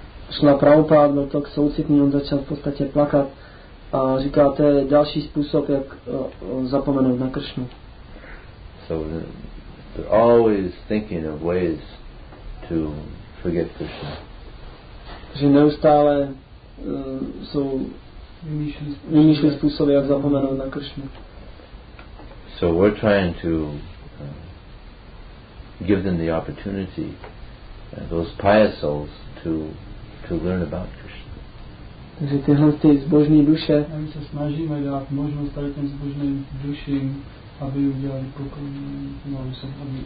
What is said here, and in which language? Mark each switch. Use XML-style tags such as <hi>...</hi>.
<cs>Šla Prabhupada, byl tak soucitný, on začal v podstatě plakat a říká, to je další způsob, jak zapomenout na Kršnu.</cs> <en>So they're always thinking of ways to forget Kršnu.</en> <cs>Že neustále jsou vymýšlí způsoby, jak zapomenout na Kršnu.</cs> <en>So we're trying to give them the opportunity, those pious souls, to learn about Kršnu.</en> <cs>Takže tyhle ty zbožní duše. A my se snažíme dát možnost tady těm zbožným duším, aby udělali pokrok.</cs>